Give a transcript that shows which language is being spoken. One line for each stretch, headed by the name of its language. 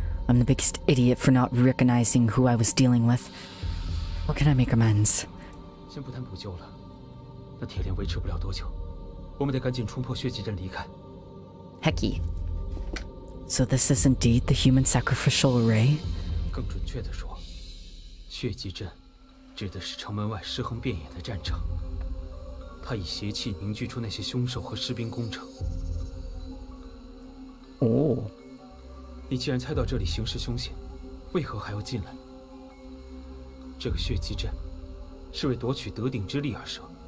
English: I'm the biggest idiot for not recognizing who I was dealing with. What can I make amends?
Chinese: 先不谈补救了。那铁链维持不了多久，我们得赶紧冲破血迹阵离开。
English: Hecky. So this is indeed the human sacrificial array?
Chinese: 更准确地说，血迹阵指的是城门外尸横遍野的战场。它以邪气凝聚出那些凶手和士兵工程。哦。你既然猜到这里行事凶险，为何还要进来？这个血迹阵是为夺取德鼎之力而设。